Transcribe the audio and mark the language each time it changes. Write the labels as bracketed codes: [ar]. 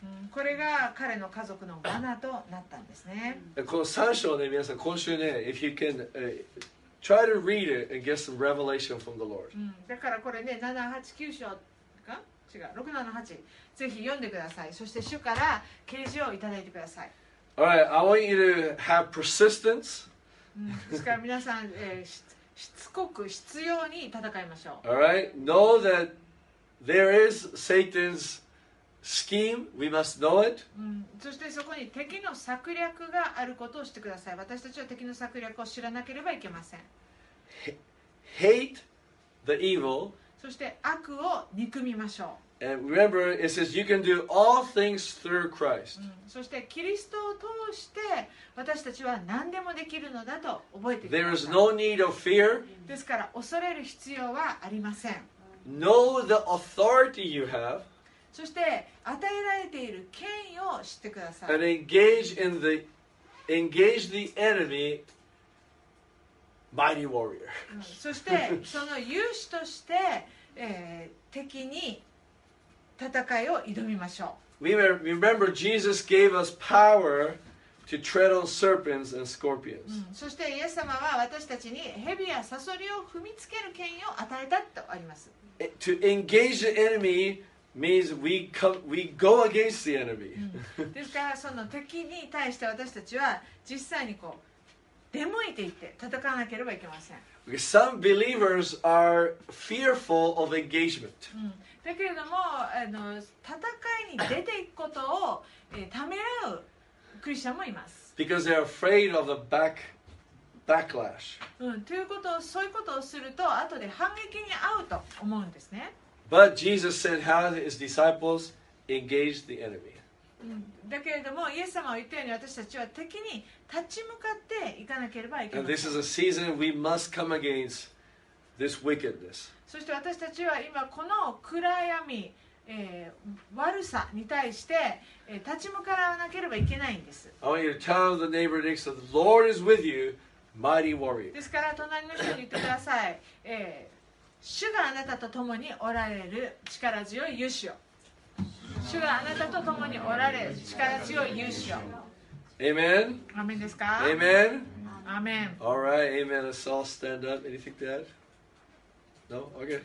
[ja] これが彼の家族の罠となったんですね。この三章ね、皆さん今週ね、 [en] if you can try to read it and get some revelation from the Lord。 [ja] だからこれね、6、7、8、ぜひ読んでください。そして主から啓示をいただいてください。 [en] All right, I want you to have persistence。 [ja] ですから皆さん、しつこく執拗に戦いましょう。 [en] All right, know that there is Satan's Scheme, we must know it. [ja] そしてそこに敵の策略があることを知ってください。私たちは敵の策略を知らなければいけません。 [en] Hate the evil. [ja] そして悪を憎みましょう。 [en] And remember, it says you can do all things through Christ. [ja] そしてキリストを通して私たちは何でもできるのだと覚えてください。 [en] There is no need of fear. [ja] ですから恐れる必要はありません。 [en] Know the authority you have. [ja] そして与えられている権威を知ってください。 [en] And engage the enemy, mighty warrior. [ja] そしてその勇士として、敵に戦いを挑みましょう。 [en] We remember Jesus gave us power to tread on serpents and scorpions. [ja] そしてイエス様は私たちに蛇やサソリを踏みつける権威を与えたとあります。 [en] To engage the enemy means we go against the enemy. [ja] ですからその敵に対して私たちは実際にこう出向いていって戦わなければいけません。 [en] Some believers are fearful of engagement. [ja] だけれども戦いに出ていくことをためらうクリスチャンもいます。 [en] Because they're afraid of the backlash. [ja] ということをそういうことをすると後で反撃に遭うと思うんですね。 [en] But Jesus said, "How his disciples engaged the enemy." [ja] だけれどもイエス様は言ったように私たちは敵に立ち向かっていかなければいけません。 [en] And this is a season we must come against this wickedness. [ja] そして私たちは今この暗闇、悪さに対して、立ち向かわなければいけないんです。 [en] I want you to tell the neighbor next to the Lord is with you, mighty warrior. [ja] ですから隣の人に言ってください。主があなたと共におられる力強い勇士を。主があなたと共におられる力強い勇士を。 [en] Amen. [ja] Amen ですか。 [en] Amen. Amen. All right. Amen. Let's all stand up. Anything to add? No? Okay.